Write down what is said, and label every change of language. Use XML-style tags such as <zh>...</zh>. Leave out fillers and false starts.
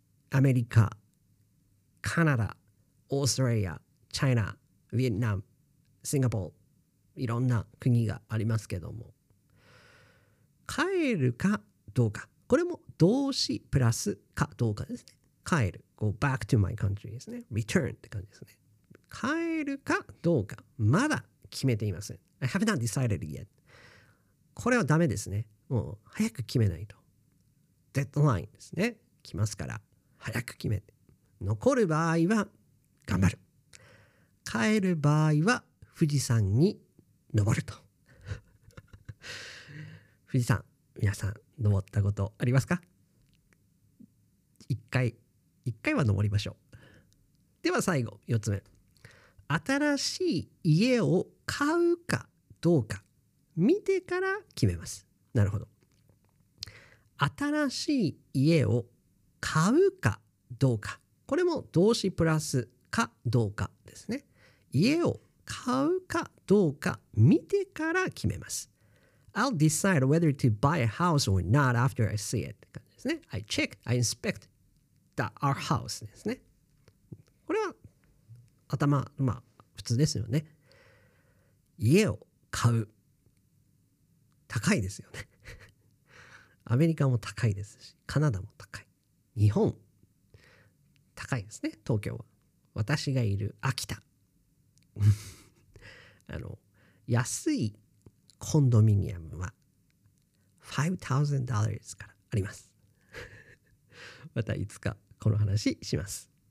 <ja>アメリカ、カナダ、オーストラリア、チャイナ、ビエトナム、シンガポール、いろんな国がありますけども、帰るかどうか、これも動詞プラスかどうかですね。</ja> <en>帰る、 Go back to my country ですね。</en> <ja>Return って感じですね。帰るかどうかまだ決めていません。</ja> <en>I have not decided yet。これはダメですね。</en> <ja>もう早く決めないと、デッドラインですね、来ますから早く決めて、残る場合は頑張る、帰る場合は富士山に登ると富士山、皆さん登ったことありますか？一回は登りましょう。では最後4つ目、新しい家を買うかどうか見てから決めます。なるほど。新しい家を買うかどうか、これも動詞プラスかどうかですね。家を買うかどうか見てから決めます。</ja> <en>I'll decide whether to buy a house or not after I see it って感じですね。 I check, I inspect the, our house ですね。</en> <ja>これは頭、まあ普通ですよね。家を買う、高いですよねアメリカも高いですし、カナダも高い、日本高いですね。東京は、私がいる秋田あの安いコンドミニアムは $5,000 からありますまたいつかこの話します。</ja>